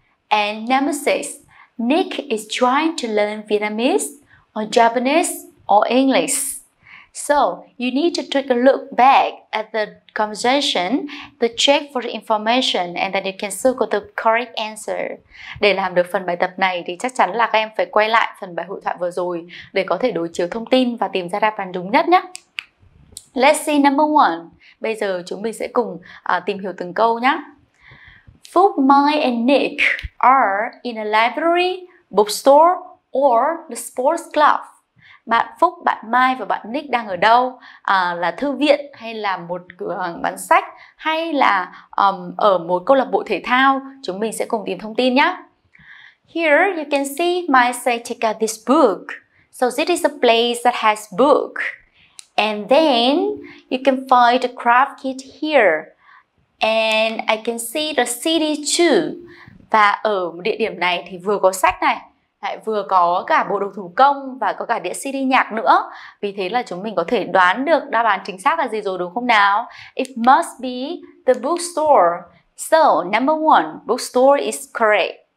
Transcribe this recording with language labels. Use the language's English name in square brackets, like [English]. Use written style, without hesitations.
[English] And number 6, Nick is trying to learn Vietnamese, or Japanese, or English. So, you need to take a look back at the conversation to check for the information and then you can circle the correct answer. [Vietnamese] Để làm được phần bài tập này thì chắc chắn là các em phải quay lại phần bài hội thoại vừa rồi để có thể đối chiếu thông tin và tìm ra đáp án đúng nhất nhé. [English] Let's see number one. [Vietnamese] Bây giờ chúng mình sẽ cùng tìm hiểu từng câu nhé. [English] Phúc, Mai and Nick are in a library, bookstore or the sports club. [Vietnamese] Bạn Phúc, bạn Mai và bạn Nick đang ở đâu? Là thư viện hay là một cửa hàng bán sách hay là ở một câu lạc bộ thể thao? Chúng mình sẽ cùng tìm thông tin nhé. [English] Here you can see Mai say check out this book. So this is a place that has book. And then you can find the craft kit here. And I can see the CD too. [Vietnamese] Và ở địa điểm này thì vừa có sách này, lại vừa có cả bộ đồ thủ công và có cả đĩa CD nhạc nữa. Vì thế là chúng mình có thể đoán được đáp án chính xác là gì rồi đúng không nào? [English] It must be the bookstore. So, number one, bookstore is correct.